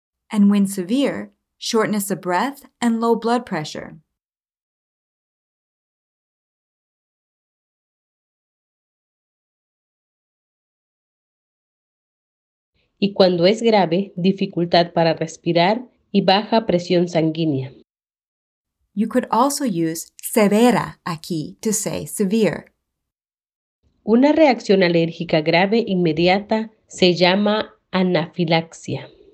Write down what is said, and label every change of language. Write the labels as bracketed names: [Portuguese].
[English] And when severe, shortness of breath and low blood pressure. [Spanish] Y cuando es grave, dificultad para respirar y baja presión sanguínea. [English] You could also use [Spanish] severa aquí [English] to say severe. [Spanish] Una reacción alérgica grave inmediata se llama anafilaxia.